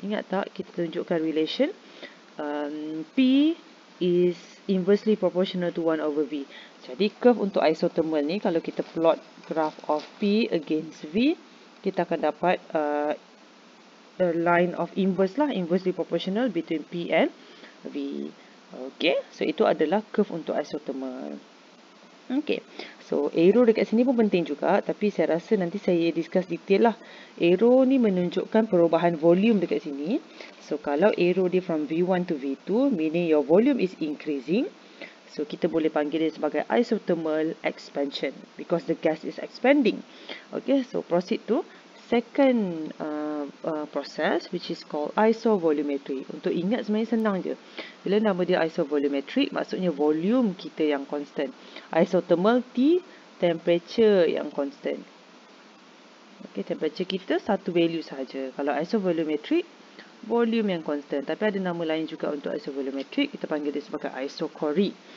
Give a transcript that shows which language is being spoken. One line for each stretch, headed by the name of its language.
Malay: Ingat tak, kita tunjukkan relation.
English: P is inversely proportional to 1 over V.
Malay: Jadi, curve untuk isothermal ni, kalau kita plot graf of P against V, kita akan dapat
English: line of inverse lah, inversely proportional between P and V.
Malay: Okay, so itu adalah curve untuk isothermal. Okay, so arrow dekat sini pun penting juga, tapi saya rasa nanti saya discuss detail lah. Arrow ni menunjukkan perubahan volume dekat sini. So kalau arrow dia
English: from V1 to V2, meaning your volume is increasing.
Malay: So kita boleh panggil dia sebagai isothermal expansion
English: because the gas is expanding. Okay, so proceed to second process, which is called isovolumetry.
Malay: Untuk ingat sebenarnya senang je. Bila nama dia isovolumetric, maksudnya volume kita yang constant. Isothermal T, temperature yang constant. Okay, temperature kita satu value sahaja. Kalau isovolumetric, volume yang constant. Tapi ada nama lain juga untuk isovolumetric. Kita panggil dia sebagai isochoric.